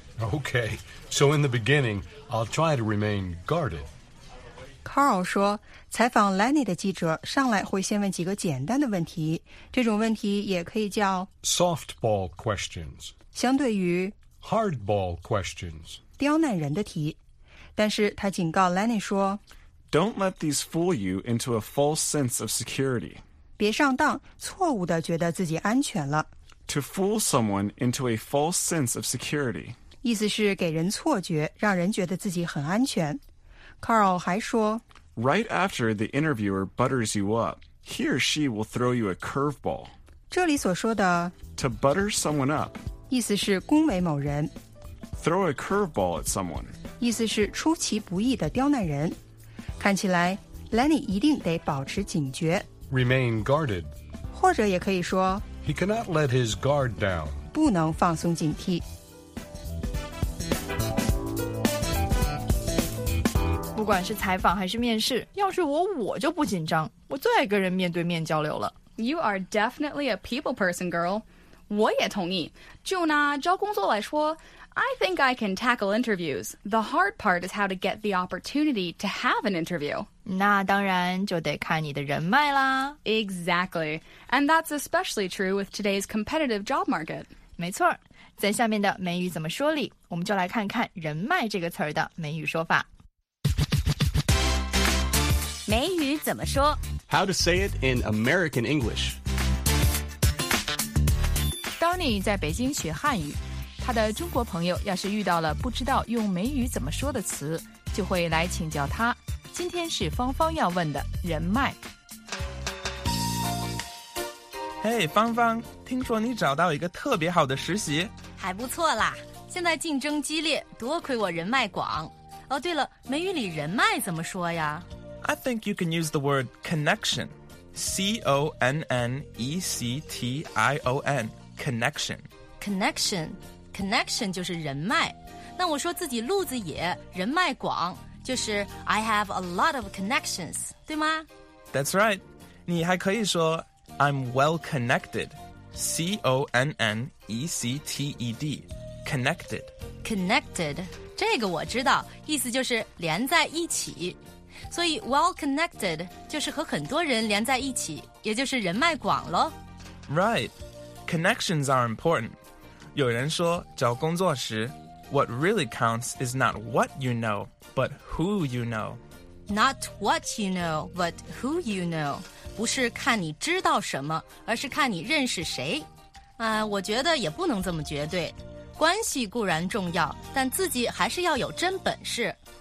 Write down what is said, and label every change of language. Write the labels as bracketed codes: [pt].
[en] Okay, so in the beginning, I'll try to remain guarded. [zh] Carl 说，采访 Lenny 的记者上来会先问几个简单的问题，这种问题也可以叫 [en] softball questions， [zh] 相对于 [en] hardball questions， [zh] 刁难人的题。但是他警告 Lenny 说 [en] ，Don't let these fool you into a false sense of security. [zh] 别上当，错误地觉得自己安全了。 [en] To fool someone into a false sense of security. [zh] 意思是给人错觉，让人觉得自己很安全。 Carl 还说 [en] ，Right after the interviewer butters you up, he or she will throw you a curveball. [zh] 这里所说的 [en] to butter someone up， [zh] 意思是恭维某人。 [en] Throw a curveball at someone. [zh] 意思是出其不意的刁难人。看起来 Lenny 一定得保持警觉。 [en] Remain guarded. [zh] 或者也可以说 [en] He cannot let his guard down. [zh] 不能放松警惕。不管是采访还是面试，要是我就不紧张。我最爱跟人面对面交流了。 [en] You are definitely a people person, girl. [zh] 我也同意。就拿招工作来说， [en] I think I can tackle interviews. The hard part is how to get the opportunity to have an interview. [zh] 那当然就得看你的人脉啦。 [en] Exactly. And that's especially true with today's competitive job market. [zh] 没错。在下面的美语怎么说里，我们就来看看人脉这个词儿的美语说法。美语怎么说？ [en] How to say it in American English. [zh] Donnie 在北京学汉语。他的中国朋友要是遇到了不知道用美语怎么说的词，就会来请教他。今天是芳芳要问的人脉。嘿，芳芳，听说你找到一个特别好的实习。还不错啦，现在竞争激烈，多亏我人脉广。哦，对了，美语里人脉怎么说呀？ [en] I think you can use the word connection. C-O-N-N-E-C-T-I-O-N. Connection. Connection. [zh] Connection 就是人脉，那我说自己路子野，人脉广，就是 [en] I have a lot of connections, [zh] 对吗？ [en] That's right. [zh] 你还可以说 [en] I'm well connected. C-O-N-N-E-C-T-E-D. Connected. Connected. [zh] 这个我知道，意思就是连在一起。所以 [en] well connected [zh] 就是和很多人连在一起，也就是人脉广咯。 [en] Right. Connections are important. [zh] 有人说找工作时 [en] What really counts is not what you know, but who you know. Not what you know, but who you know. [zh] 不是看你知道什么，而是看你认识谁。我觉得也不能这么绝对。关系固然重要，但自己还是要有真本事。